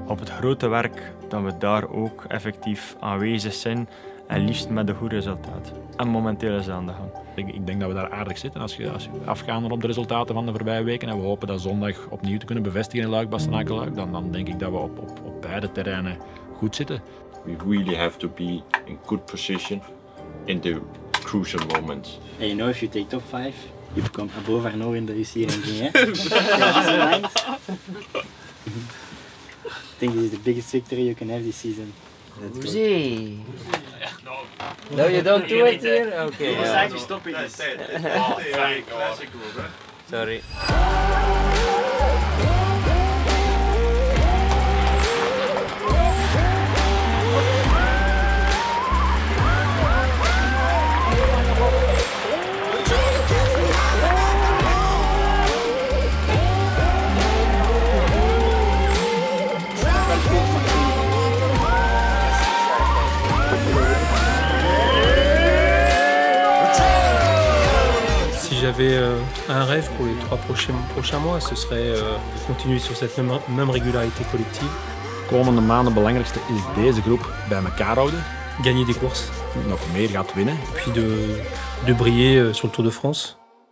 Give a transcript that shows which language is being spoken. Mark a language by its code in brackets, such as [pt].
[nl] Op het grote werk dat we daar ook effectief aanwezig zijn en liefst met een goed resultaat. En momenteel is dat aan de gang. Ik denk dat we daar aardig zitten als je afgaat op de resultaten van de voorbije weken en we hopen dat zondag opnieuw te kunnen bevestigen in Luik-Bastenaken-Luik. Dan denk ik dat we op beide terreinen goed zitten. [en] We really have to be in good position in the crucial moment. And you know if you take top 5. [nl] Je komt naar boven en nog in de UCI ranking, hè? Dat is een [en] I think this is the biggest victory you can have this season. Let's go. Uzi. No, you don't do it here? Okay. We decided to stop it. That's it. Oh, classic move, bro. Sorry. [fr] J'avais un rêve pour les trois prochains mois, ce serait de continuer sur cette même régularité collective. [nl] Komende maanden, het belangrijkste is deze groep bij elkaar houden. [fr] Gagner des courses. [nl] Nog meer gaat winnen. [fr] Puis de briller sur le Tour de France.